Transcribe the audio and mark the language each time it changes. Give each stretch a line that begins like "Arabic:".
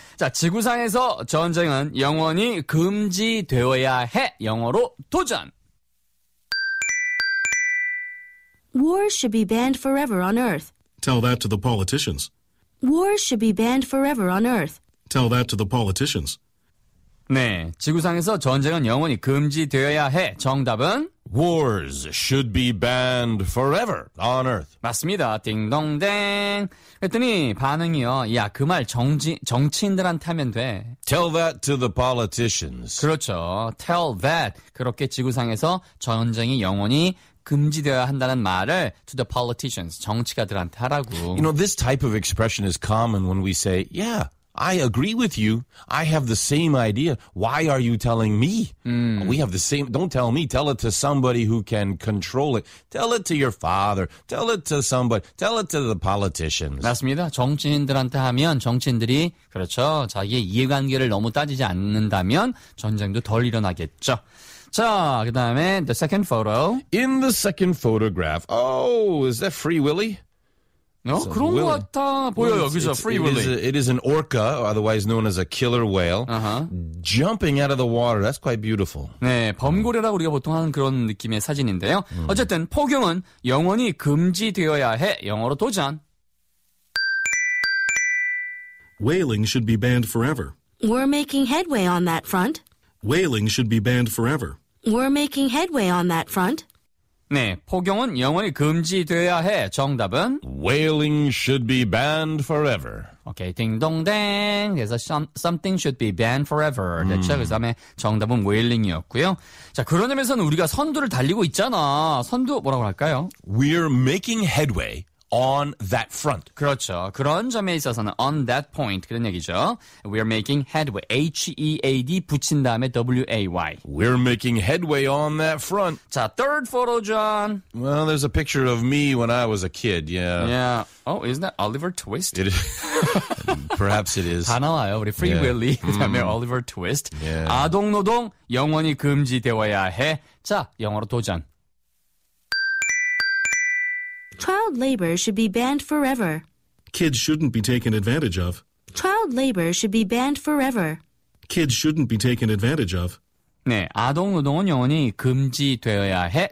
Korean: 자, 지구상에서 전쟁은 영원히 금지되어야 해. 영어로 도전!
English: Wars should be banned forever on Earth. Tell that to the politicians. Wars should be banned forever on Earth. Tell that to the politicians.
Korean: 네, 지구상에서 전쟁은 영원히 금지되어야 해. 정답은?
English: Wars should be banned forever on Earth.
Korean: 맞습니다. 띵동댕. 그랬더니 반응이요. 야, 그 말 정치인들한테 하면 돼.
English: Tell that to the politicians. 그렇죠. Tell that.
Korean: 그렇게 지구상에서 전쟁이 영원히 금지되어야 한다는 말을 to the politicians, 정치가들한테 하라고.
English: You know, this type of expression is common when we say, yeah, I agree with you. I have the same idea. Why are you telling me? We have the same. Don't tell me. Tell it to somebody who can control it. Tell it to your father. Tell it to somebody. Tell it to the politicians.
Korean: 맞습니다. 정치인들한테 하면 정치인들이 그렇죠. 자기의 이해관계를 너무 따지지 않는다면 전쟁도 덜 일어나겠죠. 자, 그 다음에
English: the second photo. In the second photograph. Oh, is that Free Willy?
Korean: No, 그런 것 같아 보여요. 여기서 Free Willy.
English: It is an orca, otherwise known as a killer whale, jumping out of the water. That's quite beautiful.
Korean: 네, 범고래라고 우리가 보통 하는 그런 느낌의 사진인데요. 어쨌든 폭염은 영원히 금지되어야 해. 영어로 도전.
English: Whaling should be banned forever. We're making headway on that front. Whaling should be banned forever. We're making headway on that front.
Korean: 네, 폭염은 영원히 금지되어야 해. 정답은?
English: Whaling should be banned forever.
Korean: 오케이, 띵동댕. 그래서
English: something should be banned forever.
Korean: 그렇죠? 그 다음에 정답은 whaling이었고요. 자, 그런 점에서는 우리가 선두를 달리고 있잖아. 선두 뭐라고 할까요?
English: We're making headway on that front.
Korean: 그렇죠. 그런 점에 있어서는
English: on that point
Korean: 그런 얘기죠.
English: We're making headway.
Korean: H-E-A-D 붙인 다음에 W-A-Y.
English: We're making headway on that front. 자, third photo, John. Well, there's a picture of me when I was a kid, yeah. Yeah. Oh, isn't that Oliver Twist? It is. Perhaps it is.
Korean: 다 나와요. 우리 Free Willy 다음에 Oliver Twist.
English: Yeah.
Korean: 아동노동 영원히 금지되어야 해. 자, 영어로 도전.
English: Child labor should be banned forever. Kids shouldn't be taken advantage of. Child labor should be banned forever. Kids shouldn't be taken advantage of.
Korean: 네, 아동노동은 영원히 금지되어야 해.